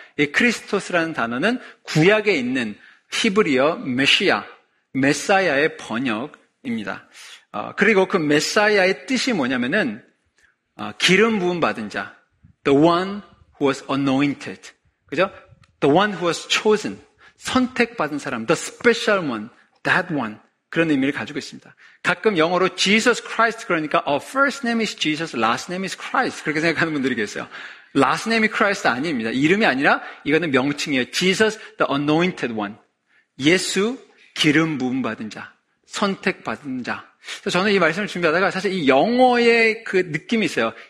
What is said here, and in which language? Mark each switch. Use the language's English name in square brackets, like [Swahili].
[Korean] 이 크리스토스라는 단어는 구약에 있는 히브리어 메시아, 메사야의 번역입니다. 그리고 그 메사야의 뜻이 뭐냐면은 기름 부음 받은 자, [English] the one who was anointed, [Korean] 그죠? [English] the one who was chosen, [Korean] 선택받은 사람, [English] the special one, that one, [Korean] 그런 의미를 가지고 있습니다. 가끔 영어로 Jesus Christ 그러니까 [English] first name is Jesus, last name is Christ [Korean] 그렇게 생각하는 분들이 계세요. Last name이 Christ 아닙니다. 이름이 아니라 이거는 명칭이에요. [English] Jesus the anointed one. [Korean] 예수 기름 부음 받은 자, 선택받은 자. 그래서 저는 이 말씀을 준비하다가 사실 이 영어의 그 느낌이 있어요.